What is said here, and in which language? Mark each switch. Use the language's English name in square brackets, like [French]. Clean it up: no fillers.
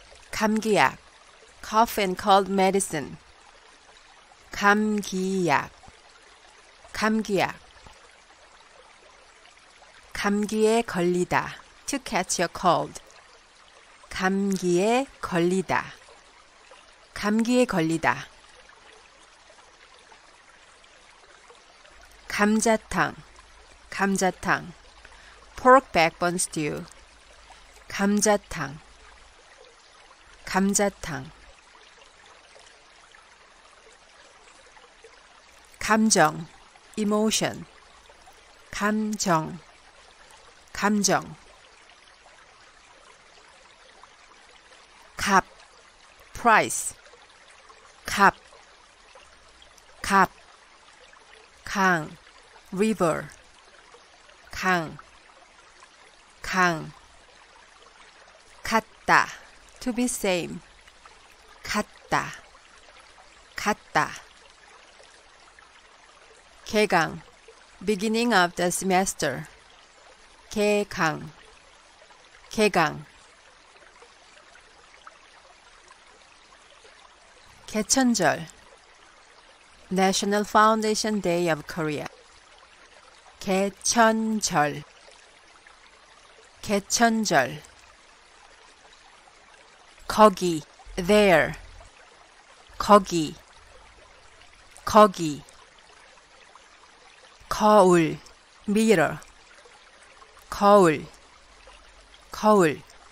[English] 감기약, cough and cold medicine. [Korean] 감기약, 감기약. 감기에 걸리다, [English] to catch a cold. [Korean] 감기에 걸리다, 감기에 걸리다. 감자탕, 감자탕, [English] pork backbone stew, [Korean] 감자탕, 감자탕. 감정, emotion, 감정, 감정. 값, price, 값, 값. 강, river, 강, 강. 같다, [English] to be same, [Korean] 같다, 같다. [English] 개강, beginning of the semester, 개강, 개강. 개천절, National Foundation Day of Korea, 개천절, 개천절. [Korean] 거기, there, 거기, 거기. 거울, mirror, 거울, 거울.